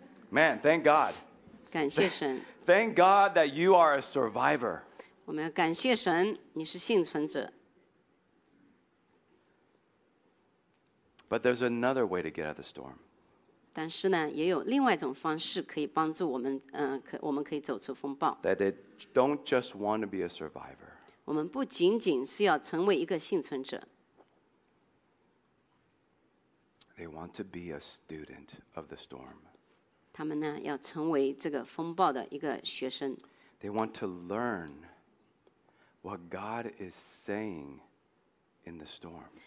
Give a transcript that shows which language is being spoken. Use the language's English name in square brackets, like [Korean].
[English] Man, thank God. Thank God that you are a survivor. But there's another way to get out of the storm. [Chinese] 但是呢，也有另外一种方式可以帮助我们，可以走出风暴。 [English] That they don't just want to be a survivor. [Chinese] 我们不仅仅是要成为一个幸存者。 [English] They want to be a student of the storm. [Chinese] 他们呢，要成为这个风暴的一个学生。 [English] They want to learn what God is saying in the storm.